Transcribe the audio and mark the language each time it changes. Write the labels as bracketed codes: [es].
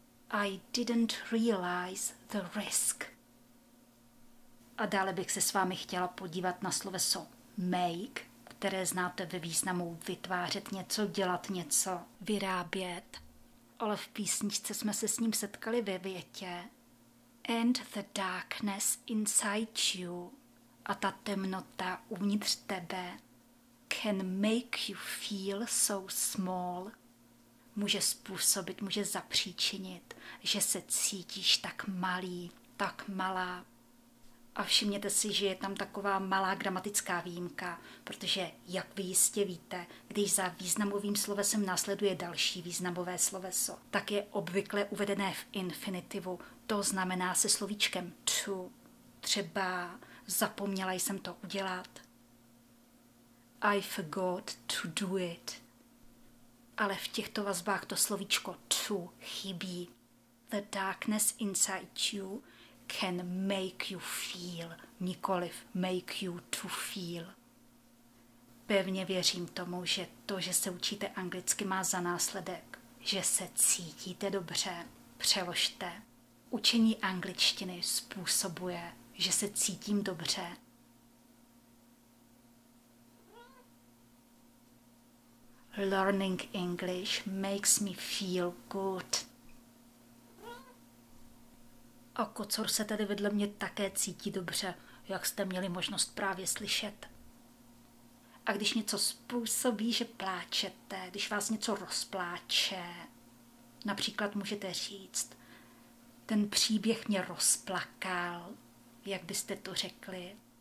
[en] I didn't realize the risk. [cs] A dále bych se s vámi chtěla podívat na sloveso make, které znáte ve významu vytvářet něco, dělat něco, vyrábět. Ale v písničce jsme se s ním setkali ve větě. [en] And the darkness inside you, [cs] a ta temnota uvnitř tebe, [en] can make you feel so small. [cs] Může způsobit, může zapříčinit, že se cítíš tak malý, tak malá. A všimněte si, že je tam taková malá gramatická výjimka, protože, jak vy jistě víte, když za významovým slovesem následuje další významové sloveso, tak je obvykle uvedené v infinitivu. To znamená se slovíčkem to, třeba zapomněla jsem to udělat. [en] I forgot to do it. [cs] Ale v těchto vazbách to slovíčko to chybí. [en] The darkness inside you can make you feel, nikoliv make you to feel. [cs] Pevně věřím tomu, že to, že se učíte anglicky, má za následek, že se cítíte dobře. Přeložte. Učení angličtiny způsobuje, že se cítím dobře. [en] Learning English makes me feel good. [cs] A kocor se tady vedle mě také cítí dobře, jak jste měli možnost právě slyšet. A když něco způsobí, že pláčete, když vás něco rozpláče, například můžete říct, ten příběh mě rozplakal, jak byste to řekli.